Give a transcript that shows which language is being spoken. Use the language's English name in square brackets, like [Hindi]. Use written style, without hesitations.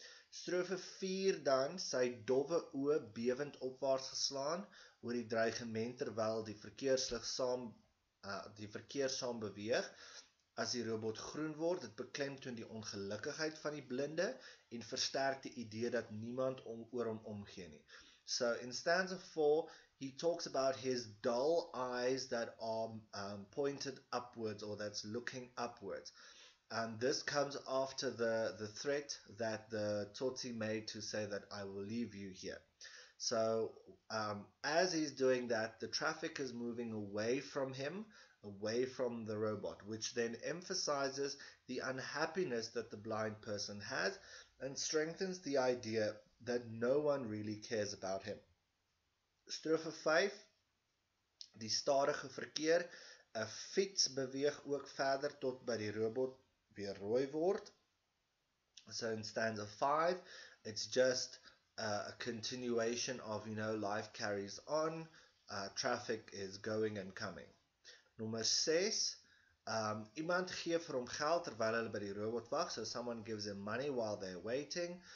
[Afrikaans] Strofe 4 dan, sy dowwe oë bewend opwaarts geslaan oor die dreigement terwyl die verkeerslig saam die verkeer saam beweeg. As die robot groen word, dit beklemtoon die ongelukkigheid van die blinde en versterk die idee dat niemand om oor hom omgee nie. [English] So in stanza 4, he talks about his dull eyes that are pointed upwards or that's looking upwards. And this comes after the threat that the tsotsi made to say that I will leave you here. So as he's doing that, the traffic is moving away from him, away from the robot, which then emphasizes the unhappiness that the blind person has and strengthens the idea that no one really cares about him. [Afrikaans] Strofe 5, die stadige verkeer, 'n fiets beweeg ook verder tot by die robot weer rooi word. [English] So in stanza 5, it's just a continuation of, you know, life carries on, traffic is going and coming. [Afrikaans] Nommer 6, iemand gee vir hom geld terwyl hulle by die robot wag, [English] so someone gives him money while they're waiting.